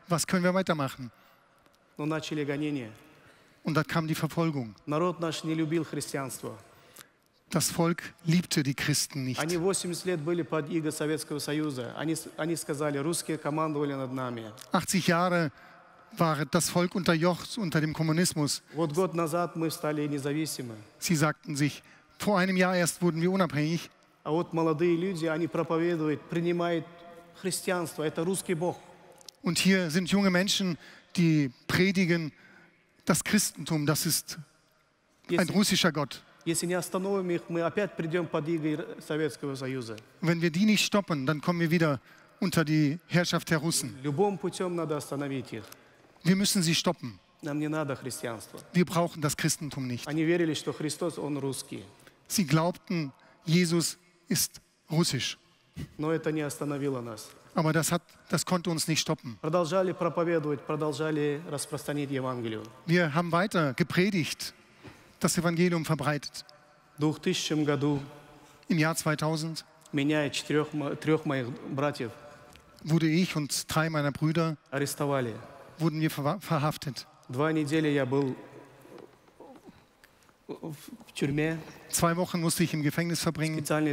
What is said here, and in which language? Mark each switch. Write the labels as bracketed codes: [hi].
[de] Was können wir weitermachen? Und da kam die Verfolgung. Das Volk liebte die Christen nicht. 80 Jahre war das Volk unterjocht unter dem Kommunismus. [ru] Вот год назад мы стали независимы. [de] Sie sagten sich, vor einem Jahr erst wurden wir unabhängig. [ru] А вот молодые люди, они проповедуют, принимают христианство, это русский Бог. [de] Und hier sind junge Menschen, die predigen das Christentum, das ist ein russischer Gott. [ru] Если не остановим их, мы опять придем под иго Советского Союза. [de] Wenn wir die nicht stoppen, dann kommen wir wieder unter die Herrschaft der Russen. [ru] Любым путем надо остановить их. [de] Wir müssen sie stoppen. [ru] Нам не надо христианство. [de] Wir brauchen das Christentum nicht. [ru] Они верили, что Христос, он русский. [de] Sie glaubten, Jesus ist russisch. [ru] Но это не остановило нас. [de] Aber das konnte uns nicht stoppen. [ru] Продолжали проповедовать, продолжали распространять Евангелие. [de] Wir haben weiter gepredigt, das Evangelium verbreitet. Im Jahr 2000 wurde ich und drei meiner Brüder [ru] арестовали. [de] Wurden wir verhaftet. Zwei Wochen musste ich im Gefängnis verbringen.